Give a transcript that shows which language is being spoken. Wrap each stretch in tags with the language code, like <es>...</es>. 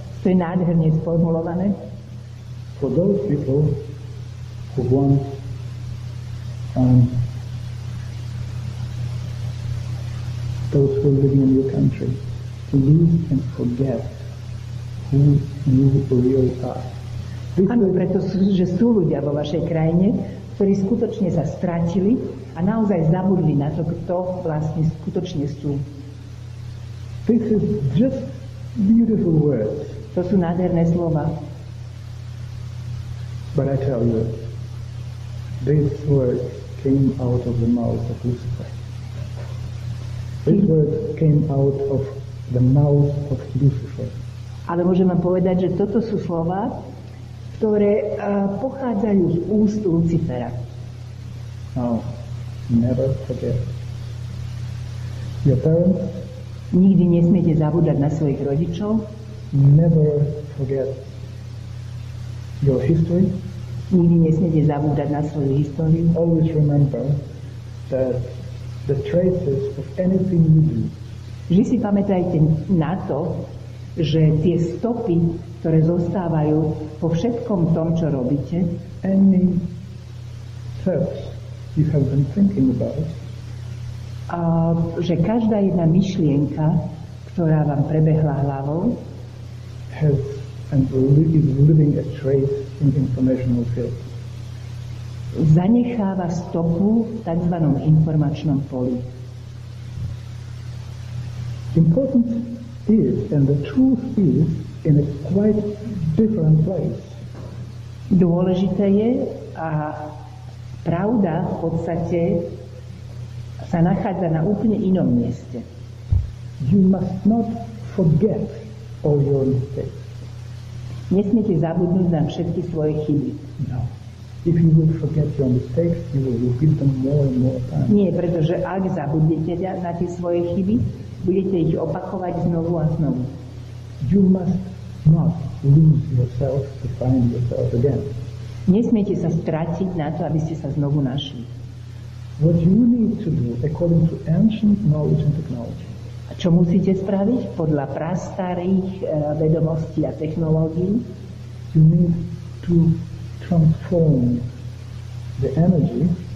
<cs>To je nádherně sformulované.</cs> <en>For those people who want those who live in your country to lose and forget who you really are.</en> <sk>Ano, preto sú, že sú ľudia vo vašej krajine, ktorí skutočne sa stratili a naozaj zabudli na to, kto vlastne skutočne sú.</sk> <en>This is just beautiful words.</en> <sk>To sú nádherné slova.</sk> <en>But I tell you, these words came out of the mouth of Lucifer. These words came out of the mouth of Lucifer.</en> <sk>Ale môžeme povedať, že toto sú slova, ktoré pochádzajú z úst Lucifera.</sk> <en>Now, never forget. Your parents?</en> <sk>Nikdy nesmiete zabúdať na svojich rodičov.</sk> <en>Never forget your history.</en> <sk>Nikdy nesmiete zabúdať na svoju históriu.</sk> <en>Always remember that the traces of anything you do.</en> <sk>Vždy si pamätajte na to, že tie stopy, ktoré zostávajú po všetkom tom, čo robíte,</sk> <en>any thoughts you have been thinking about,</en> <sk>a že každá jedna myšlienka, ktorá vám prebehla hlavou,</sk> <en>has and is leaving a trace in the informational field.</en> <sk>Zanecháva stopu v tzv. Informačnom poli.</sk> <en>Important is, and the truth is, in a quite different place.</en> <sk>Dôležité je, a pravda v podstate sa nachádza na úplne inom mieste.</sk> <en>You must not forget all your mistakes.</en> <sk>Nesmiete zabudnúť na všetky svoje chyby.</sk> <en>No. If you will forget your mistakes, you will repeat them more and more times.</en> <sk>Nie, pretože ak zabudnete na tie svoje chyby, budete ich opakovať znovu a znovu.</sk> <en>You must not lose yourself to find yourself again.</en> <sk>Nesmiete sa stratiť na to, aby ste sa znovu našli.</sk> <en>What you need to do according to ancient knowledge and technology.</en> <sk>A čo musíte spraviť podľa prastarých vedomostí a technológií?</sk> <en>You need to transform the energy.</en>